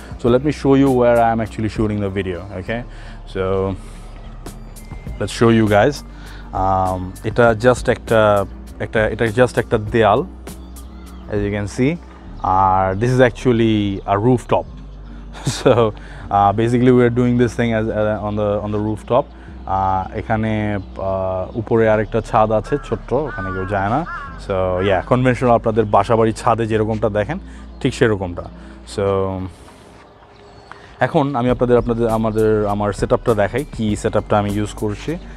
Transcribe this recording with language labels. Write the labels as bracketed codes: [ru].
[en] So let me show you where I am actually shooting the video. Okay, so Let's show you guys. It's just a deal, as you can see. This is actually a rooftop. So basically, we are doing this thing as on the rooftop. [bn] এখানে উপরে আরেকটা ছাদ আছে ছোট্ট, ওখানে কেউ যায় না। সো ইয়া, কনভেনশনাল আপনাদের বাসা বাড়ির ছাদে যেরকমটা দেখেন ঠিক সেরকমটা। সো এখন আমি আমার সেট আপটা দেখাই, কী সেট আপটা আমি ইউজ করছি।